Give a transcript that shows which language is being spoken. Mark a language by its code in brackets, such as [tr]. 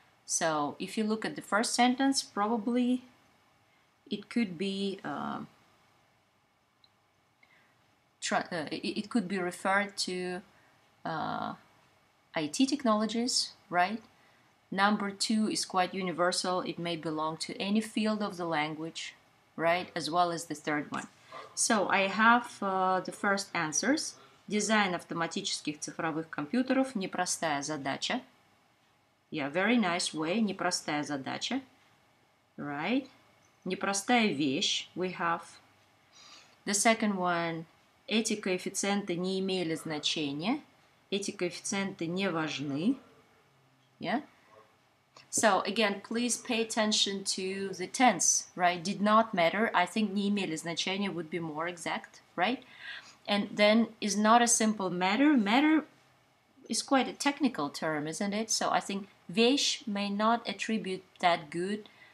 [en] So if you look at the first sentence, probably it could be it could be referred to IT technologies, right? Number two is quite universal. It may belong to any field of the language, right? As well as the third one. So I have the first answers. [ru] Design автоматических цифровых компьютеров – непростая задача. [en] Yeah, very nice way. [ru] Непростая задача, [en] right? [ru] Непростая вещь. [en] We have the second one. [ru] Эти коэффициенты не имели значения. Эти коэффициенты не важны. [en] Yeah. So again, please pay attention to the tense, right? Did not matter. I think [ru] не имели значения [en] would be more exact, right? And then is not a simple matter. Matter is quite a technical term, isn't it? So I think вещь may not attribute that good.